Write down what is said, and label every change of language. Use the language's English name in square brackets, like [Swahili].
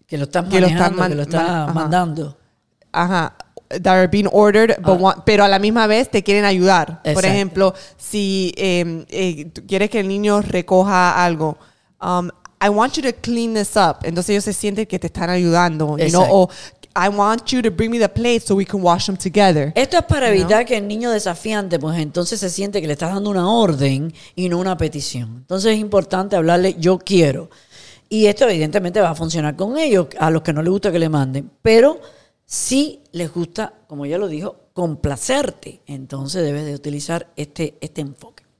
[Spanish] que lo están mandando. Ajá. [English] That are being ordered, [Spanish] pero a la misma vez te quieren ayudar. Exacto. Por ejemplo, si tú quieres que el niño recoja algo, [English] I want you to clean this up. [Spanish] Entonces ellos se sienten que te están ayudando. [English] O I want you to bring me the plates so we can wash them together. [Spanish] Esto es para evitar que el niño desafiante, pues entonces se siente que le estás dando una orden y no una petición. Entonces es importante hablarle yo quiero. Y esto evidentemente va a funcionar con ellos, a los que no les gusta que le manden. Pero si les gusta, como ya lo dijo, complacerte, entonces debes de utilizar este enfoque.